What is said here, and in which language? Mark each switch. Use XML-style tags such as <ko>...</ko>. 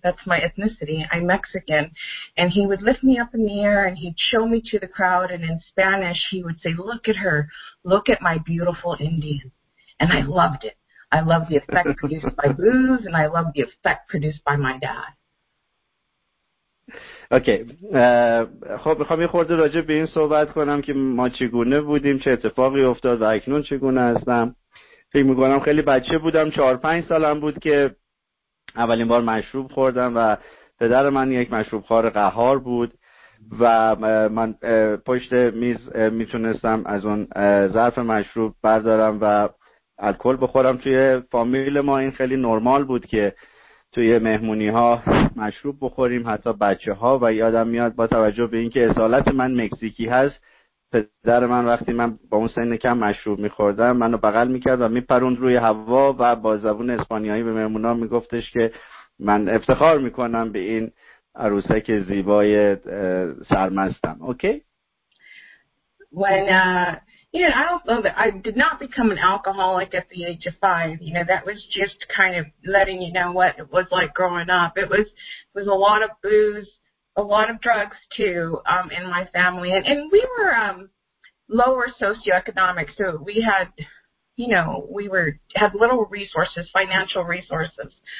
<en>That's my ethnicity. I'm Mexican. And he would lift me up in the air, and he'd show me to the crowd, and in Spanish he would say, look at her. Look at my beautiful Indian. And I loved it. I loved the effect produced by booze, and I loved the effect produced by my dad.</en> <fa>اوکی. خب میخوام یه خورده راجع به این صحبت کنم که ما چگونه بودیم، چه اتفاقی افتاد و اکنون چگونه هستم. فکر میکنم خیلی بچه بودم، 4-5 سالم بود که اولین بار مشروب خوردم و پدر من یک مشروب خوار قهار بود و من پشت میز میتونستم از اون ظرف مشروب بردارم و الکل بخورم. توی فامیل ما این خیلی نرمال بود که توی مهمونی ها مشروب بخوریم، حتی بچه ها. و یادم میاد با توجه به اینکه اصالت من مکزیکی هست، پدر من وقتی من با اون سن کم مشروب میخوردم، منو بغل میکرد و میپروند روی هوا و با زبون اسپانیایی به مهمونا میگفتش که من افتخار میکنم به این عروسک زیبای سرمستم. اوکی؟</fa> <en>You know, I don't know that I did not become an alcoholic at the age of 5. You know, that was just kind of letting you know what it was like growing up. It was a lot of booze, a lot of drugs too, in my family. And we were lower socioeconomic, so we had, you know, had little resources, financial resources.</en>